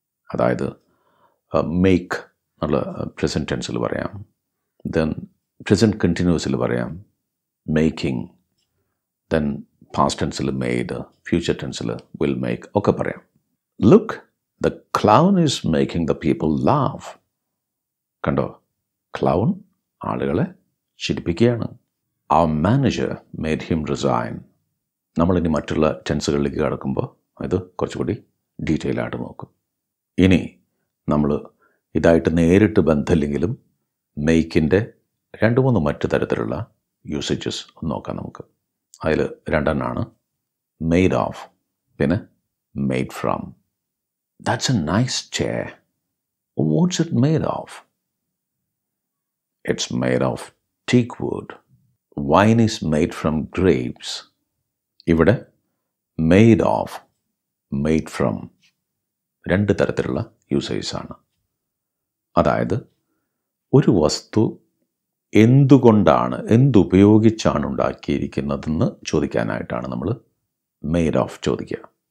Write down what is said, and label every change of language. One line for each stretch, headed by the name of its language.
Malayalam: അതായത് മേക്ക് എന്നുള്ള പ്രസൻറ്റ് ടെൻസിൽ പറയാം, ദെൻ പ്രസൻറ്റ് കണ്ടിന്യൂസിൽ പറയാം making, then past ടെൻസിൽ made, future ടെൻസിൽ will make ഒക്കെ പറയാം.
English: Look, the clown is making the people laugh.
Malayalam: കണ്ടോ, ക്ലൗൺ ആളുകളെ ചിരിപ്പിക്കുകയാണ്.
English: Our manager made him resign.
Malayalam: നമ്മളിനി മറ്റുള്ള ടെൻസുകളിലേക്ക് കടക്കുമ്പോൾ ഇത് കുറച്ചുകൂടി ഡീറ്റെയിൽ ആയിട്ട് നോക്കും. ഇനി നമ്മൾ ഇതായിട്ട് നേരിട്ട് ബന്ധമില്ലെങ്കിലും മേക്കിൻ്റെ രണ്ട് മൂന്ന് മറ്റു തരത്തിലുള്ള യൂസേജസ് ഒന്ന് നോക്കാം നമുക്ക്. അതിൽ രണ്ടെണ്ണമാണ് മെയ്ഡ് ഓഫ്, പിന്നെ made from.
English: That's a nice chair, what's it made of? It's made of teak wood. Wine is made from grapes.
Malayalam: ഇവിടെ made of, made from രണ്ട് തരത്തിലുള്ള യൂസേജാണ്. അതായത് ഒരു വസ്തു എന്തുകൊണ്ടാണ്, എന്തുപയോഗിച്ചാണ് ഉണ്ടാക്കിയിരിക്കുന്നതെന്ന് ചോദിക്കാനായിട്ടാണ് നമ്മൾ made of ചോദിക്കുക.